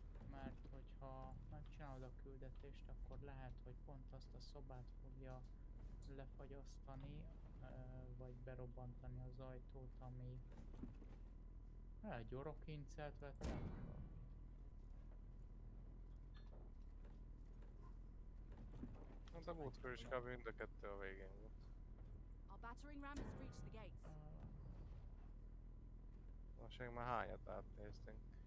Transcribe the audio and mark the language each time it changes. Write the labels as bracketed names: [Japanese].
[Hungarian] Mert hogyha megcsinálod a küldetést, akkor lehet, hogy pont azt a szobát fogja lefagyasztani, vagy berobbantani az ajtót, ami... egy orokincelt vettem. Hát a múltkor is kb. Mind a kettő a végén volt. [English] Our battering ram has reached the gates. [Hungarian] Most még már hányat átnéztünk.